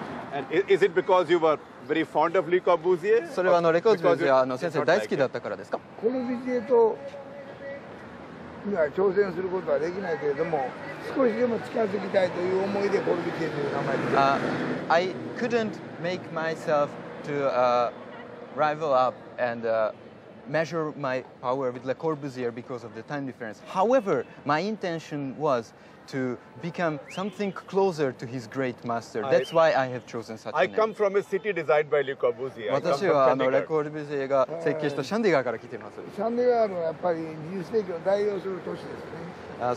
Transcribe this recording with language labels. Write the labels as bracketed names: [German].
[English] And is it because you were very fond of Le Corbusier? [Japanese] それはあのレコルビジェは先生大好きだったからですか? コルビジェとには挑戦することはできないけれども、少しでも近づきたいという思いでコルビュジエという名前です。 [English] I couldn't make myself to rival up and measure my power with Le Corbusier because of the time difference. However, my intention was to become something closer to his great master. That's why I have chosen such a name. I come from a city designed by Le Corbusier. [Japanese] 私はレコルビジェが設計したシャンディガーから来ています。シャンディガーはやっぱり20世紀を代表する都市ですね。